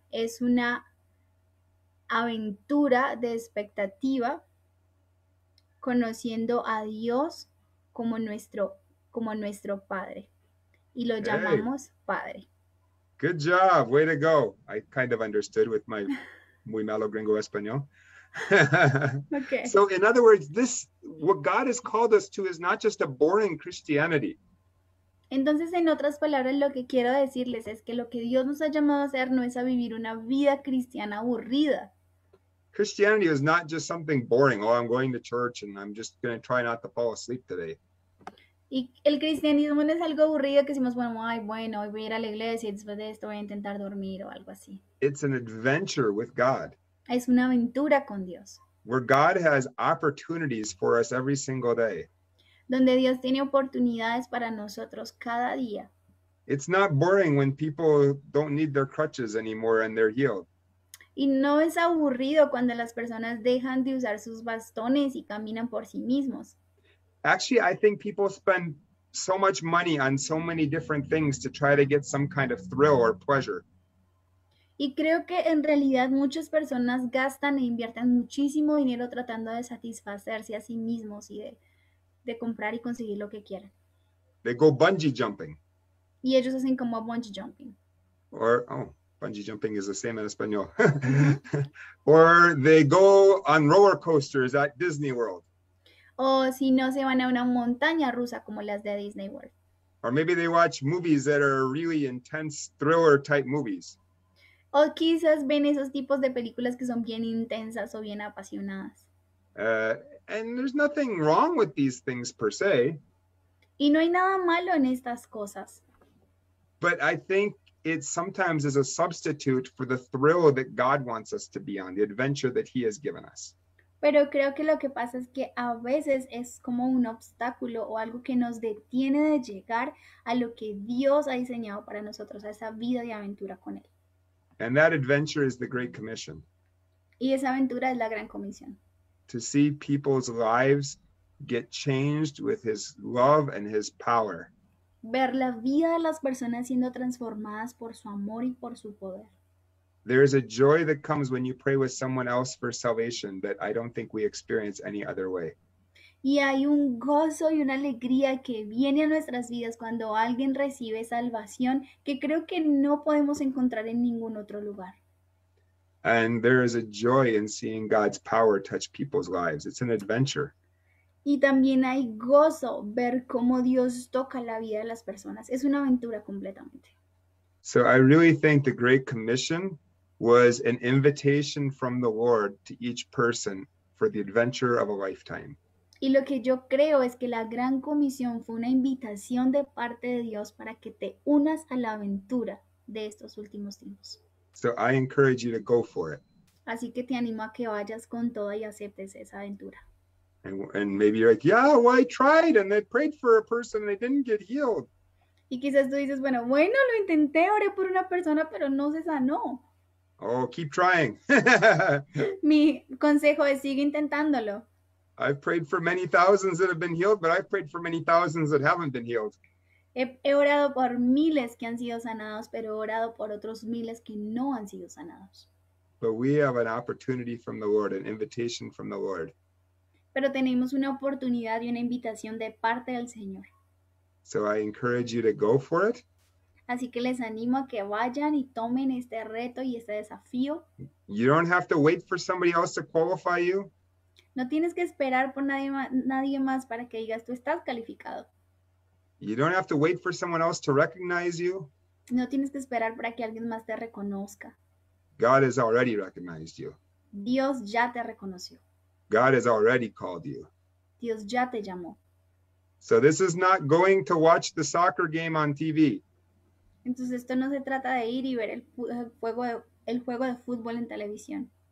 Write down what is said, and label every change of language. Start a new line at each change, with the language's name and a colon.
Spanish: Es una aventura de expectativa conociendo a Dios como nuestro Padre. Y lo
English: Hey,
Spanish: llamamos Padre.
English: good job, way to go. I kind of understood with my
Spanish: muy malo gringo español.
English: Okay. So, in other words, this what God has called us to is not just a boring Christianity.
Spanish: Entonces, en otras palabras, lo que quiero decirles es que lo que Dios nos ha llamado a hacer no es a vivir una vida cristiana aburrida.
English: Christianity is not just something boring. Oh, I'm going to church and I'm just going to try not to fall asleep today.
Spanish: Y el cristianismo no es algo aburrido que decimos, bueno, ay, bueno, hoy voy a ir a la iglesia y después de esto voy a intentar dormir o algo así.
English: It's an adventure with God,
Spanish: Es una aventura con Dios.
English: where God has opportunities for us every single day.
Spanish: Donde Dios tiene oportunidades para nosotros cada día.
English: It's not boring when people don't need their crutches anymore and they're healed.
Spanish: Y no es aburrido cuando las personas dejan de usar sus bastones y caminan por sí mismos.
English: Actually, I think people spend so much money on so many different things to try to get some kind of thrill or pleasure.
Spanish: Y creo que en realidad muchas personas gastan e invierten muchísimo dinero tratando de satisfacerse a sí mismos y de comprar y conseguir lo que quieran.
English: They go bungee jumping.
Spanish: Y ellos hacen como bungee jumping.
English: Or, oh, bungee jumping is the same in Espanol. Or they go on roller coasters at Disney World.
Spanish: O si no, se van a una montaña rusa como las de Disney World.
English: Or maybe they watch movies that are really intense thriller type movies.
Spanish: O quizás ven esos tipos de películas que son bien intensas o bien apasionadas.
English: And there's nothing wrong with these things per se.
Spanish: Y no hay nada malo en estas cosas.
English: But I think it sometimes is a substitute for the thrill that God wants us to be on, the adventure that He has given us.
Spanish: Pero creo que lo que pasa es que a veces es como un obstáculo o algo que nos detiene de llegar a lo que Dios ha diseñado para nosotros, a esa vida de aventura con Él.
English: And that adventure is the Great Commission.
Spanish: Y esa aventura es la Gran Comisión.
English: To see people's lives get changed with His love and His power.
Spanish: Ver la vida de las personas siendo transformadas por su amor y por su poder.
English: There is a joy that comes when you pray with someone else for salvation that I don't think we experience any other way.
Spanish: Y hay un gozo y una alegría que viene a nuestras vidas cuando alguien recibe salvación que creo que no podemos encontrar en ningún otro lugar.
English: And there is a joy in seeing God's power touch people's lives. It's an adventure.
Spanish: Y también hay gozo ver cómo Dios toca la vida de las personas. Es una aventura completamente.
English: So I really think the Great Commission was an invitation from the Lord to each person for the adventure of a lifetime.
Spanish: Y lo que yo creo es que la Gran Comisión fue una invitación de parte de Dios para que te unas a la aventura de estos últimos tiempos.
English: So I encourage you to go for it.
Spanish: Así que te animo a que vayas con todo y aceptes esa aventura.
English: And maybe you're like, yeah, well, I tried and I prayed for a person and they didn't get healed.
Spanish: Y quizás tú dices, bueno, lo intenté, oré por una persona, pero no se sanó.
English: Oh, keep trying. I've
Spanish: Mi consejo es sigue intentándolo.
English: prayed for many thousands that have been healed, but I've prayed for many thousands that haven't been healed.
Spanish: He orado por miles que han sido sanados, pero he orado por otros miles que no han sido sanados.
English: But we have an opportunity from the Lord, an invitation from the Lord.
Spanish: Pero tenemos una oportunidad y una invitación de parte del Señor.
English: So I encourage you to go for it.
Spanish: Así que les animo a que vayan y tomen este reto y este desafío.
English: You don't have to wait for somebody else to qualify you.
Spanish: No tienes que esperar por nadie más para que digas tú estás calificado.
English: You don't have to wait for someone else to recognize you.
Spanish: No tienes que esperar para que alguien más te reconozca.
English: God has already recognized you.
Spanish: Dios ya te reconoció.
English: God has already called you.
Spanish: Dios ya te llamó.
English: So this is not going to watch the soccer game on TV.
Spanish: Entonces esto no se trata de ir y ver el juego de fútbol en televisión.